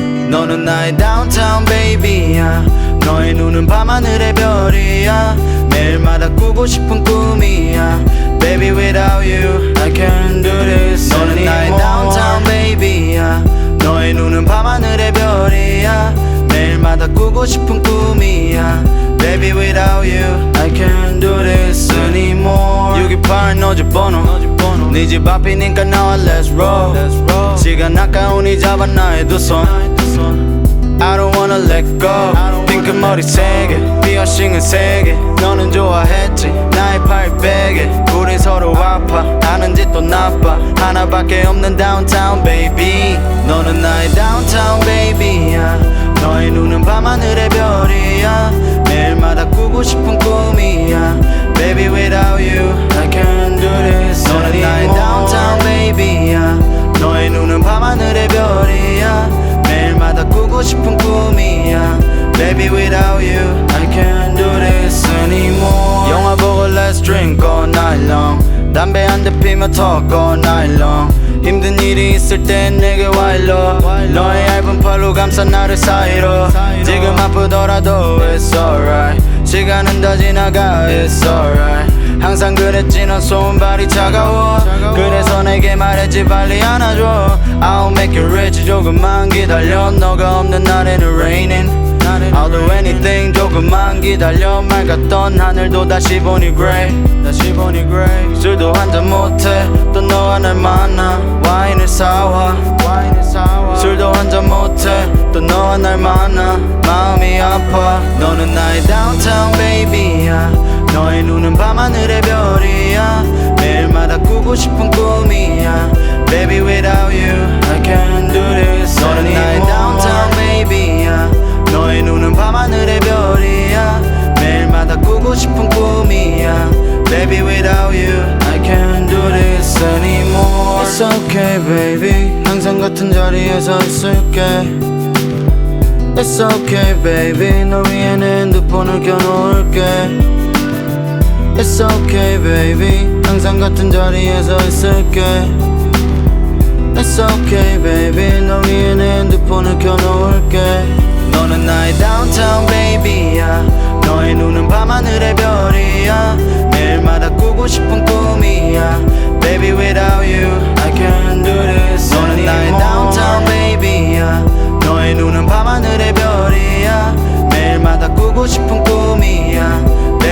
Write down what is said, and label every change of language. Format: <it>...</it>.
<ko>너는 나의</ko> <en>downtown baby</en> <ko>야. 너의 눈은 밤하늘의 별이야. 매일마다 꾸고 싶은 꿈이야.</ko> <en>Baby without you I can't do this.</en> <ko>너는 나의</ko> <en>downtown baby</en> <ko>야. 너의 눈은 밤하늘의 별이야. 매일마다 꾸고 싶은 꿈이야.</ko> <en>Baby without you I can't do this anymore.</en> <ko>628 너집번호 네 집 앞이니까 나와</ko> <en>let's roll.</en> <ko>시간 아까우니 잡아 나의 두 손.</ko> <en>I don't wanna let go.</en> <ko>핑크 머리 세 개 피어싱은 세 개 너는 좋아했지 나의 팔 베개. 우린 서로 아파 아는 짓도 나빠. 하나밖에 없는</ko> <en>downtown baby.</en> <ko>너는 나의</ko> <en>downtown baby</en> <ko>야. 너의 눈은 밤하늘의 별이야. 매일마다 꾸고 싶은 꿈이야.</ko> <en>Baby without you I can't do this.</en> <ko>너는 나의</ko> <en>downtown baby</en> <ko>야. 너의 눈은 밤하늘의 별이야. 매일마다 꾸고 싶은 꿈이야.</ko> <en>Baby without you I can't do this anymore.</en> <ko>영화 보고</ko> <en>let's drink all night long.</en> <ko>담배 한 대 피며</ko> <en>talk all night long.</en> <ko>힘든 일이 있을 땐 내게 와일러. 너의 얇은 팔로 감싸 나를 사이로. 지금 아프더라도</ko> <en>it's alright.</en> <ko>시간은 다 지나가</ko> <en>it's alright.</en> <ko>항상 그랬지 넌 손발이 차가워. 그래서 내게 말했지 빨리 안아줘.</ko> <en>I'll make you rich</en> <ko>조금만 기다려. 너가 없는 날에는</ko> <en>raining. I'll do anything</en> <ko>조금만 기다려. 맑았던 하늘도 다시 보니</ko> <en>grey.</en> <ko>다시 보니</ko> <en>grey.</en> <ko>술도 한잔 못해 또 너가 날 만나. 와인을 사와 와인을 사와. 술도 한잔 못해 또 너가 날 만나. 마음이 아파. 너는 나의</ko> <en>downtown baby</en> <ko>야. 너의 눈은 밤하늘의 별이야. 매일마다 꾸고 싶은 꿈이야.</ko> <en>Baby without you I can't do this.</en> <ko>너는 나의</ko> <en>downtown baby</en> <ko>야. 너의 눈은 밤하늘의 별이야. 매일마다 꾸고 싶은 꿈이야.</ko> <en>Baby without you I can't do this anymore. It's okay baby</en> <ko>항상 같은 자리에서 있을게.</ko> <en>It's okay baby</en> <ko>널 위해 내 핸드폰을 켜놓을게.</ko> <en>It's okay baby</en> <ko>항상 같은 자리에서 있을게.</ko> <en>It's okay baby</en> <ko>널 위해 내 핸드폰을 켜놓을게. 너는 나의</ko> <en>downtown baby</en> <ko>야. 너의 눈은 밤하늘의 별이야. 매일마다 꾸고 싶은 꿈이야.</ko> <en>Baby without you I can't do this.</en> <ko>너는 나의</ko> <en>downtown baby</en> <ko>야. 너의 눈은 밤하늘의 별이야. 매일마다 꾸고 싶은 꿈이야.</ko>